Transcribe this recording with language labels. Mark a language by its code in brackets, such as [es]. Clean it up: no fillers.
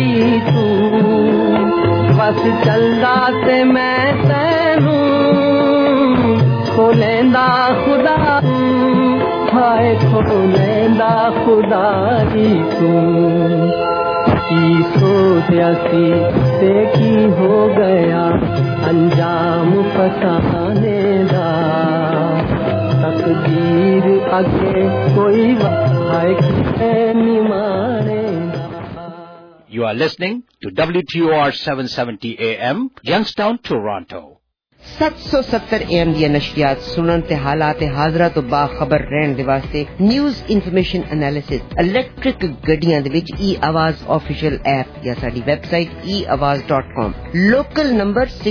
[pa] ਬਸ ਚੱਲਦਾ ਤੇ ਮੈਂ ਤੈਨੂੰ ਖੋ ਲੈਂਦਾ ਖੁਦਾ ਹਾਏ ਖੋ ਲੈਂਦਾ ਖੁਦਾ ਹੀ ਤੂੰ ਕੀ ਸੋਚਿਆ ਸੀ ਤੇ ਕੀ ਹੋ ਗਿਆ ਅੰਜਾਮ ਫਸਾਨੇ ਦਾ ਤਕਦੀਰ ਅੱਗੇ ਕੋਈ ਵਾਹ ਕਿਸੇ ਨੀ ਮਾਰੇ [en] You are listening to WTOR 770 AM, Youngstown, Toronto. [pa] 770 AM دی نشریات سنن تے حالات حاضرہ تو با خبر رہن دے واسطے نیوز انفارمیشن انالیسس الیکٹرک گڈیاں دے وچ ای آواز آفیشل ایپ یا ساڈی web site eawaz.com local number